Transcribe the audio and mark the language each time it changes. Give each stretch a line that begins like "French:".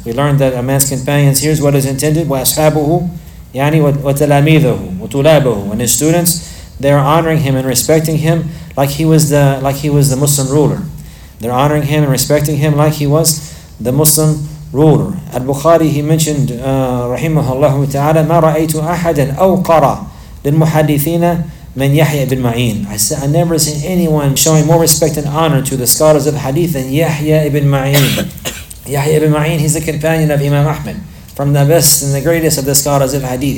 English: We learned that a man's companions, here's what is intended,
Arabic: وَأَصْحَابُهُ يعني وَتَلَامِذَهُ وَتُلَابَهُ,
English: and his students, they are honoring him and respecting him like he was the Muslim ruler. They're honoring him and respecting him like he was the Muslim ruler.
Arabic: Al-Bukhari,
English: he mentioned,
Arabic: rahimahullah ta'ala, مَا رَأَيْتُ أَحَدًا أَوْقَرَ لِلْمُحَدِّثِينَ مَنْ يَحْيَ بْنْ مَعِينَ.
English: I said, I never seen anyone showing more respect and honor to the scholars of Hadith than Yahya ibn Ma'in. Yahya ibn Ma'in, he's the companion of Imam Ahmad, from the best and the greatest of the scholars of Hadith.